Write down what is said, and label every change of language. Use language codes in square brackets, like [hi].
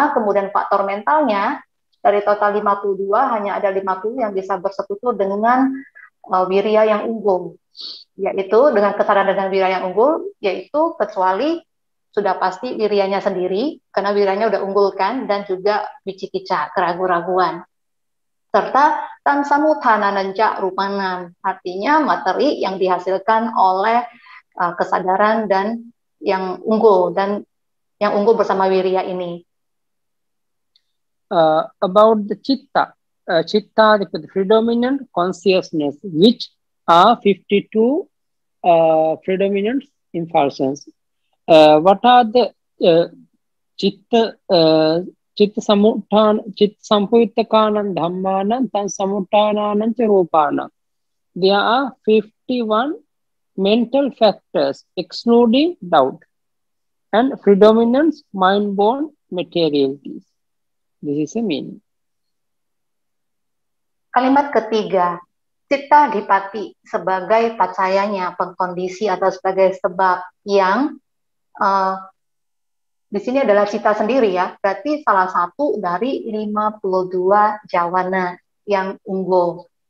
[id] Kemudian faktor mentalnya dari total 52 hanya ada 50 yang bisa bersekutu dengan wirya yang unggul, yaitu dengan kesadaran dengan wirya yang unggul, yaitu kecuali sudah pasti wiryanya sendiri karena wiryanya sudah unggul kan, dan juga bicikica, keraguan-raguan serta tansamu tanananja rupanam, artinya materi yang dihasilkan oleh kesadaran dan yang unggul, dan yang unggul bersama wirya ini. [en] About the citta, citta is the predominant consciousness, which are 52 predominant impulses. What are the citta? [pi] Citta sampuyuttakanam dhammanam tan samuttananam ca rupanam. [en] There are 51 mental factors excluding doubt and predominant mind-borne materialities. This is the meaning. [id] Kalimat ketiga, citta dipati sebagai pacayanya, pengkondisi atau sebagai sebab yang di sini adalah cita sendiri ya, berarti salah satu dari 52 jawana yang unggul.